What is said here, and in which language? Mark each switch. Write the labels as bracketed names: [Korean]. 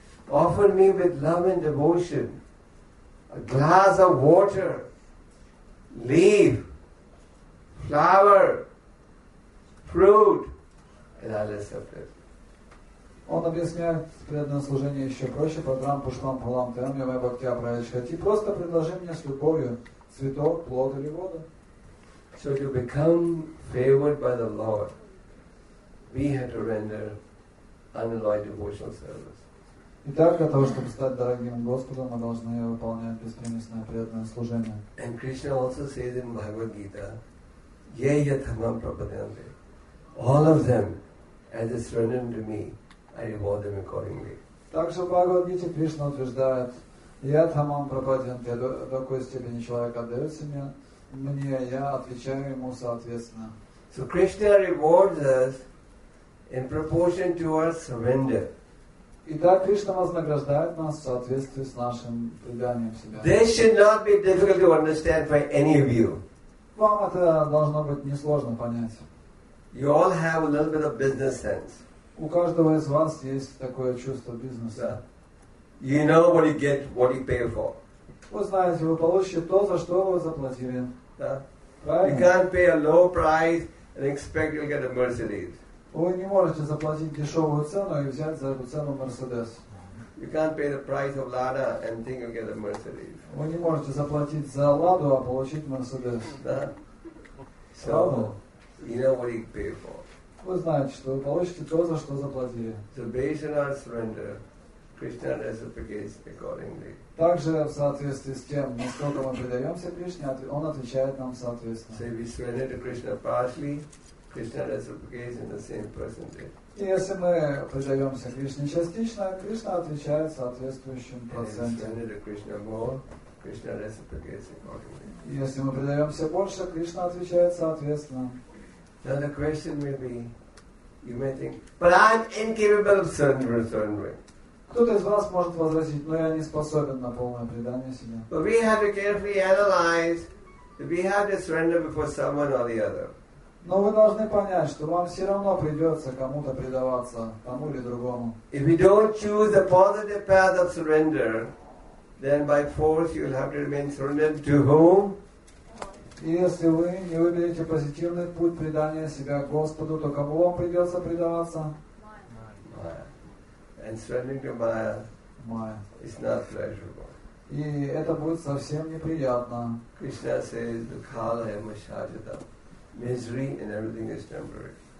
[English] Offer me with love and devotion a glass of water, leaf, flower, fruit, and I'll accept it. [Russian] Он объясняет преданное служение еще проще. [Sanskrit] Прадрам пушпам пралам тэм, я мэ бхакти апраэч хати. [Russian] Просто предложи мне с любовью цветок, плод или воду. [English] So to become favored by the Lord, we have to render unalloyed devotional service. [Russian] Итак, для того, чтобы стать дорогим Господом, мы должны выполнять беспримесное преданное служение. [English] And Krishna also says in Bhagavad Gita, [Sanskrit] yaya thamam prapadyante. [English] All of them, as they surrender to me, I reward them accordingly. [Russian] Также в Бхагавад Гите Кришна утверждает, [Sanskrit] я тамам пропаденте, [Russian] до какой степени человек отдается мне, я отвечаю ему соответственно. [English] So Krishna rewards us in proportion to our surrender. [Russian] Итак, Кришна вознаграждает нас в соответствии с нашим преданием себя. [English] This should not be difficult to understand for any of you. [Russian] Вам это должно быть несложно понять. [English] You all have a little bit of business sense. [Russian] У каждого из вас есть такое чувство бизнеса. [English] You know what you get, what you pay for. [Russian] Вы знаете, вы получите то, за что вы заплатили. [English] You can't pay a low price and expect you'll get a Mercedes. [Russian] Вы не можете заплатить дешевую цену и взять за эту цену Mercedes. [English] You can't pay the price of Lada and think you'll get a Mercedes. [Russian] Вы не можете заплатить за Ладу, а получить Mercedes. [English] So, you know what you pay for. [Russian] Вы знаете, что вы получите то, за что заплатили. [English] So based on our surrender, Krishna reciprocates accordingly. [Russian] Также в соответствии с тем, насколько мы предаемся Кришне, он отвечает нам соответственно. [English] So if we surrender to Krishna partially, Krishna reciprocates in the same percentage. [Russian] Если мы предаемся Кришне частично, Кришна отвечает соответствующим процентом. [English] And if we surrender to Krishna more, Krishna reciprocates accordingly. [Russian] Если мы предаемся больше, Кришна отвечает соответственно. [English] Then the question may be, you may think, but I'm incapable of surrendering. [Russian] Кто-то из вас может возразить, но я не способен на полное предание себя. [English] But we have to carefully analyze that we have to surrender before someone or the other. [Russian] Но вы должны понять, что вам все равно придется кому-то предаваться, тому или другому. [English] If we don't choose the positive path of surrender, then by force you will have to remain surrendered to whom? [Russian] Если вы не выберете позитивный путь предания себя Господу, то кому вам придется предаваться? [English] Майя. And surrendering to Maya is not pleasurable. [Russian] И это будет совсем неприятно. [English] Krishna says, [Sanskrit] "Dukhala hai mashajata." [English] Misery and everything is temporary.